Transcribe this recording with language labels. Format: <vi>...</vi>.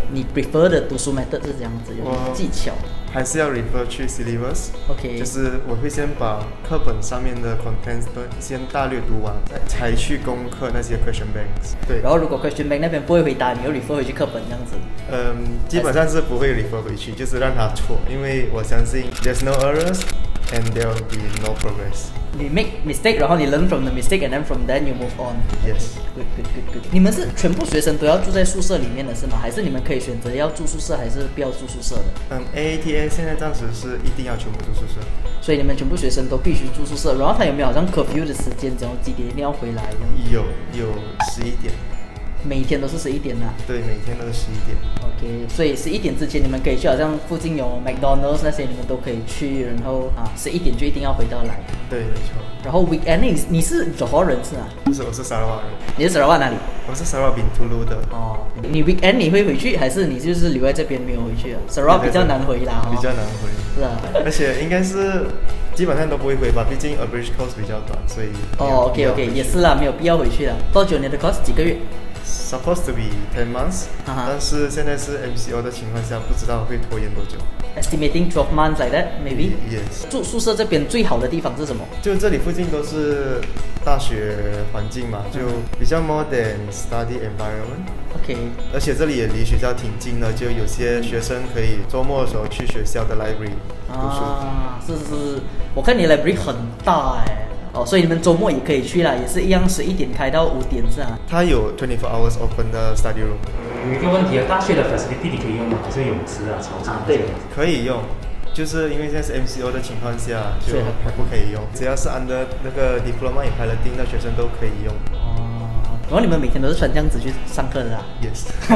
<zh>你 prefer 的读书 method 是怎样子？有技巧？还是要 refer 去 syllabus， OK，就是我会先把课本上面的 contents 都先大略读完，才去攻克那些 question banks。对，然后如果 question bank 那边不会回答，你又 refer 回去课本这样子。基本上是不会 refer 回去，就是让他错，因为我相信</zh> <en>there's no errors and there will be no progress。</en> <zh>你</zh> <en>make mistake，</en> <zh>然后你</zh> <en>learn from the mistake， and then from then you move on。 Yes， good。</en> <zh>你们是全部学生都要住在宿舍里面的是吗？还是你们可以选择要住宿舍，还是不要住宿舍的？ AATA 现在暂时是一定要全部住宿舍。所以你们全部学生都必须住宿舍。然后他有没有好像 curfew 的时间，然后几点一定要回来？有11点。每天都是11点呐、啊？对，每天都是11点。 OK， 所以11点之前你们可以去，好像附近有 McDonald's 那些你们都可以去，然后11点就一定要回到来。对，没错。然后 weekend 你是 Johor 人是吗？不是，我是 Sarawak 人。你是 Sarawak 哪里？我是 Sarawak Bintulu 的。你 weekend 你会回去，还是你就是留在这边没有回去啊？Sarawak 比较难回啦。比较难回。是啊。而且应该是基本上都不会回吧，毕竟 Average course 比较短，所以。 OK， 也是啦，没有必要回去啦。多久你的 course？ 几个月？</zh> <en>supposed to be 10 months、 uh-huh.</en> <zh>但是现在是 MCO 的情况下不知道会拖延多久。</zh> <en>Estimating 12 months like that maybe? Yes.</en> <zh>住宿舍这边最好的地方是什么？就这里附近都是大学环境嘛，就比较 modern study environment。 OK。而且这里也离学校挺近的，就有些学生可以周末的时候去学校的 library 读书、啊、是是，我看你 library 很大耶、欸哦，所以你们周末也可以去啦，也是一样，11点开到5点是啊。它有 24 hours open 的 study room。有一个问题啊，大学的 facility 你可以用吗？就是泳池啊、操场、啊、对，可以用，就是因为现在是 MCO 的情况下，就还不可以用。只要是 under 那个 diploma 也排了定的学生都可以用。哦，然后你们每天都是穿这样子去上课的啊</zh> <en>？Yes</en>